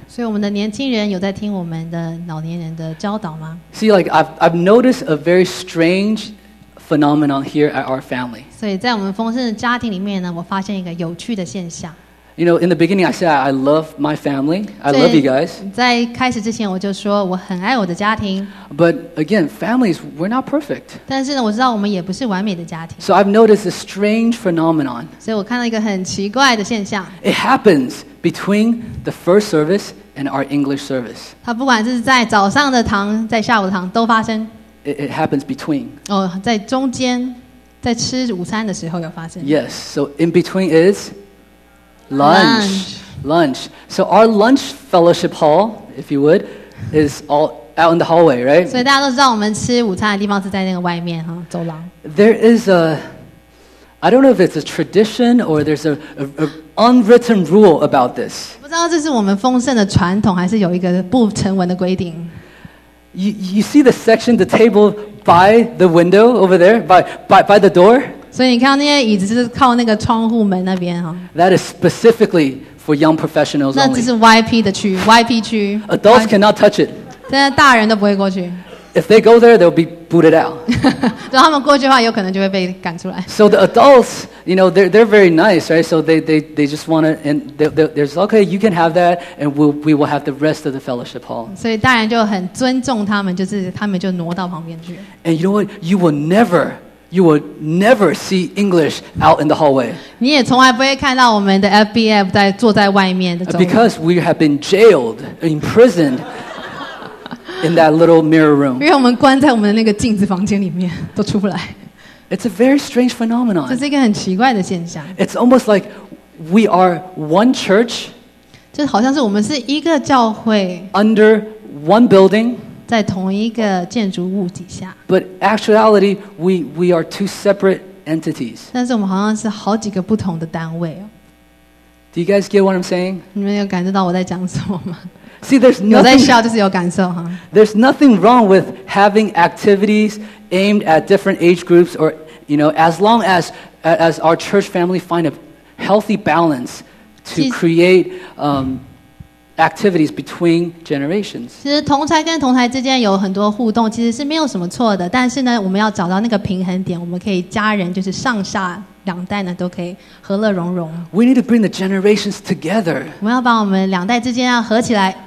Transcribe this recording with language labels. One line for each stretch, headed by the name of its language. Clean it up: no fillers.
Chinese: 所以我们的年轻人有在听我们的老年人的教导吗？
English: See, like I've noticed a very strange phenomenon here at our family.
Chinese: 所以在我们丰盛的家庭里面呢，我发现一个有趣的现象。
English: You know, in the beginning, I said I love my family. I love you guys.
Chinese: 在开始之前，我就说我很爱我的家庭。
English: But again, families, we're not perfect.
Chinese: 但是呢，我知道我们也不是完美的家庭。
English: So I've noticed a strange phenomenon.
Chinese: 所以我看到一个很奇怪的现象。
English: It happens between the first service and our English service.
Chinese: 它不管是在早上的堂，在下午的堂都发生。
English: It happens between.
Chinese: 哦，在中间，在吃午餐的时候有发生。
English: Yes. So in between is. Lunch. So our lunch fellowship hall, if you would, is all out in the hallway, right?
Chinese: 所以大家都知道我们吃午餐的地方是在那个外面哈，走廊。
English: There is a, I don't know if it's a tradition or there's a unwritten rule about this.
Chinese: 不知道这是我们丰盛的传统，还是有一个不成文的规定。
English: You see the section, the table by the window over there, by the door?
Chinese: 所以你看那些椅子就是靠那个窗户门那边哈。
English: That is specifically for young professionals only.
Chinese: 那只是 YP 的区 ，YP 区。
English: Adults cannot touch it.
Chinese: 现在大人都不会过去。
English: If they go there, they'll be booted out.
Chinese: 如果他们过去的话，有可能就会被赶出来。
English: So the adults, you know, they're very nice, right? So they just want to, and they're just, okay, you can have that, and we will have the rest of the fellowship hall.
Chinese: 所以大人就很尊重他们，就是他们就挪到旁边去。
English: And you know what? You will never see English out in the hallway.
Chinese: 你也从来不会看到我们的 FBF 在坐在外面的。
English: Because we have been jailed, imprisoned in that little mirror room.
Chinese: 因为我们关在我们的那个镜子房间里面，都出不来。
English: It's a very strange phenomenon.
Chinese: 这是一个很奇怪的现象。
English: It's almost like we are one church.
Chinese: 就好像是我们是一个教会。
English: Under one building.
Chinese: 在同一个建筑物底下。
English: But actuality, we are two separate entities.
Chinese: 但是我们好像是好几个不同的单位。
English: Do you guys get what I'm saying?
Chinese: 你们有感受到我在讲什么吗？
English: See, there's nothing,
Chinese: 有在笑就是有感受。
English: There's nothing wrong with having activities aimed at different age groups or, you know, as long as our church family find a healthy balance to create, activities between generations.
Chinese: 其实同侪跟同侪之间有很多互动，其实是没有什么错的。但是呢，我们要找到那个平衡点，我们可以家人就是上下两代呢都可以和乐融融。
English: We need to bring the generations together.
Chinese: 我们要把我们两代之间要合起来。